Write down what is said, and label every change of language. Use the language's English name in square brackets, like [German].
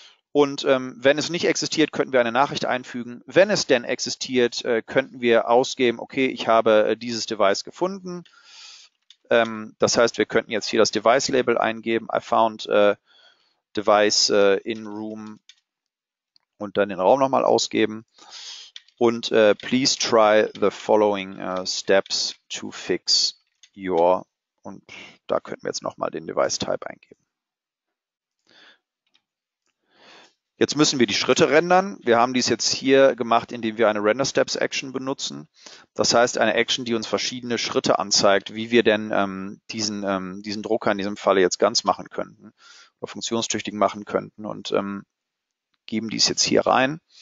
[German] Und wenn es nicht existiert, könnten wir eine Nachricht einfügen. Wenn es denn existiert, könnten wir ausgeben, okay, ich habe dieses Device gefunden. Das heißt, wir könnten jetzt hier das Device-Label eingeben. [English] I found device in room [German] und dann den Raum nochmal ausgeben. [English] Und please try the following steps to fix your. [German] Und da könnten wir jetzt nochmal den Device-Type eingeben. Jetzt müssen wir die Schritte rendern. Wir haben dies jetzt hier gemacht, indem wir eine RenderSteps-Action benutzen. Das heißt, eine Action, die uns verschiedene Schritte anzeigt, wie wir denn diesen Drucker in diesem Falle jetzt ganz machen könnten oder funktionstüchtig machen könnten und geben dies jetzt hier rein.